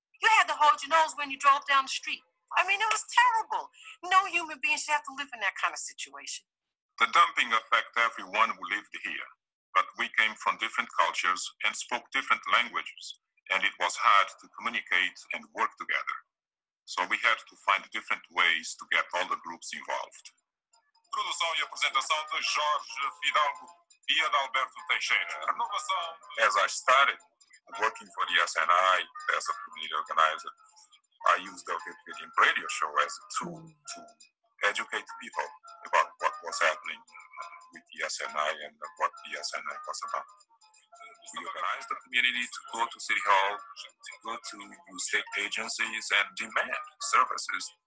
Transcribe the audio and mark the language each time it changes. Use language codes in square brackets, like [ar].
[en] You had to hold your nose when you drove down the street. I mean, it was terrible. No human being should have to live in that kind of situation. The dumping affected everyone who lived here, but we came from different cultures and spoke different languages, and it was hard to communicate and work together. So we had to find different ways to get all the groups involved. [pt] Produção e apresentação de Jorge Fidalgo e Adalberto Teixeira. Renovação. [en] As I started working for the SNI as a community organizer, I used the Wikipedia radio show as a tool to educate people about what was happening with the SNI and what the SNI was about. We organized the community to go to City Hall, to go to state agencies and demand services.